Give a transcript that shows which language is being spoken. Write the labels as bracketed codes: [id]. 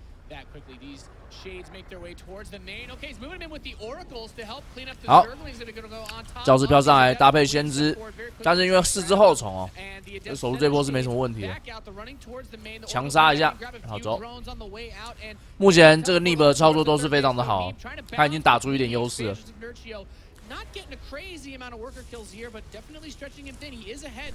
[en] That quickly, these shades make their way towards the main. Okay, he's moving in with the oracles to help clean up the zerglings that are going to go on top. [zh] 教室飘上来搭配先知，但是因为四只后虫哦，守住这波是没什么问题的。强杀一下，好走。目前这个Nib的操作都是非常的好，他已经打出一点优势了。 [en] Not getting a crazy amount of worker kills here, but definitely stretching him thin. He is ahead.